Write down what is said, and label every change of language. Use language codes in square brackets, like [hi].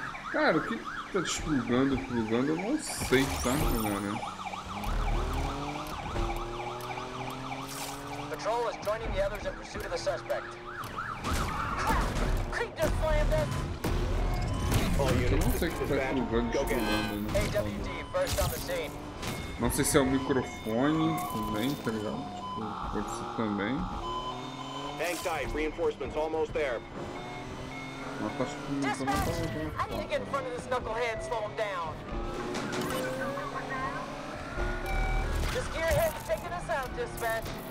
[pt] Cara, o que tá desplugando, plugando? Eu não sei, tá, galera. [en] Patrol is joining the others in pursuit of the suspect. Creep just slammed it. [pt] Eu não sei o que tá plugando, desplugando. [en] AWD, first on the scene. [pt] Não sei se é o microfone também, tá ligado? Tipo, pode ser também. [en] Hang tight, reinforcements almost there. [pt] Mas acho que não tá muito bom. [en] I need to get in front of this knucklehead and slow him down. This gearhead is taking us out, dispatch.